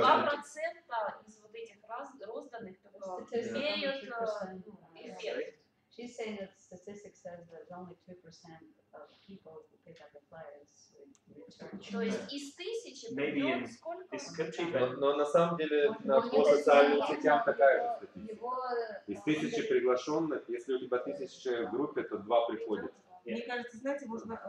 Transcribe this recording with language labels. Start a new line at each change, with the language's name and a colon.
Russian: 2% из вот этих розданных имеют эффект.
English: She's saying that statistics says that only 2% of people who pick up the flyers return.
Russian: То есть из тысячи.
English: Maybe in this country,
Russian: но на самом деле по социальным сетям такая же статистика. Из тысячи приглашенных, если у тебя 1000 в группе, то 2 приходят. Мне кажется, знаете, можно